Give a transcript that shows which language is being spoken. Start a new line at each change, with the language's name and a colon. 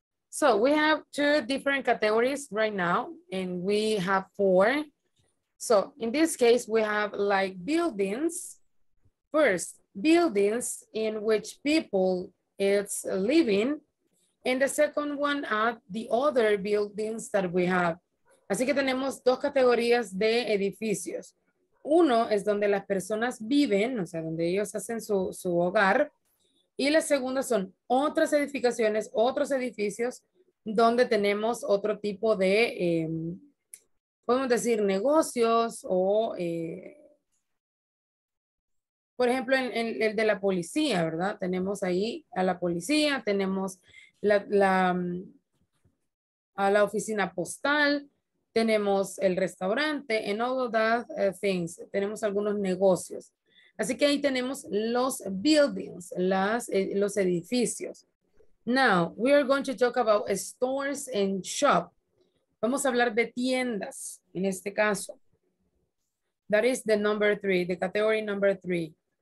English: So we have two different categories right now, and we have four. So in this case, we have like buildings. First, buildings in which people is living. And the second one are the other buildings that we have.
Spanish: Así que tenemos dos categorías de edificios. Uno es donde las personas viven, o sea, donde ellos hacen su hogar. Y la segunda son otras edificaciones, otros edificios, donde tenemos otro tipo de podemos decir negocios o, por ejemplo, en el de la policía, ¿verdad? Tenemos ahí a la policía, tenemos a la oficina postal, tenemos el restaurante,
English: and all of that things.
Spanish: Tenemos algunos negocios. Así que ahí tenemos los buildings, los edificios.
English: Now, we are going to talk about stores and shops.
Spanish: Vamos a hablar de tiendas, en este caso.
English: That is the number three, the category number three.